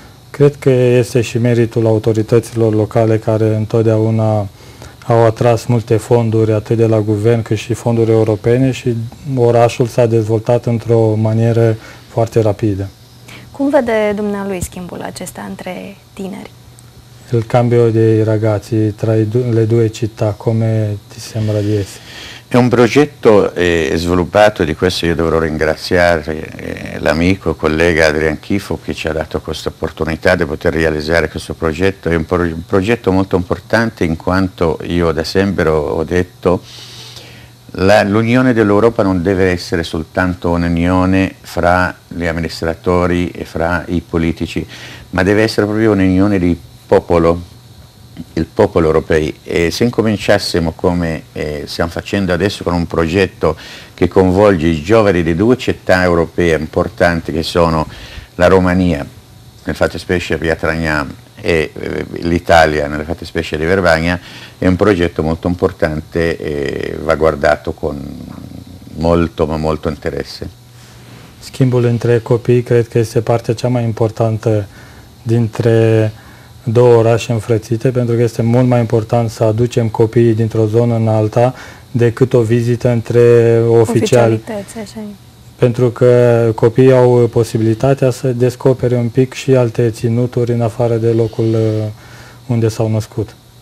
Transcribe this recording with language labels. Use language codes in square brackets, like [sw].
[ro] Cred că este și meritul autorităților locale care întotdeauna au atras multe fonduri, atât de la guvern, cât și fonduri europene și orașul s-a dezvoltat într-o manieră foarte rapidă. Cum vede dumnealui schimbul acesta între tineri? [it] Il cambio dei ragazzi tra le due città, come ti sembra di essere? È un progetto sviluppato, di questo io dovrò ringraziare l'amico, collega Adrian Chifo che ci ha dato questa opportunità di poter realizzare questo progetto. È un progetto molto importante in quanto io da sempre ho detto l'unione dell'Europa non deve essere soltanto un'unione fra gli amministratori e fra i politici, ma deve essere proprio un'unione di popolo. Il popolo europeo, e se incominciassimo come stiamo facendo adesso con un progetto che coinvolge i giovani di due città europee importanti che sono la Romania, nel fattispecie di Piatra Neamț, e l'Italia, nel fattispecie di Verbania, è un progetto molto importante e va guardato con molto ma molto interesse. [ro] Schimbul între copii cred că este partea cea mai importantă dintre două orașe înfrățite, pentru că este mult mai important să aducem copiii dintr-o zonă în alta decât o vizită între oficiali. Pentru că copiii au posibilitatea să descopere un pic și alte ținuturi în afară de locul unde s-au născut.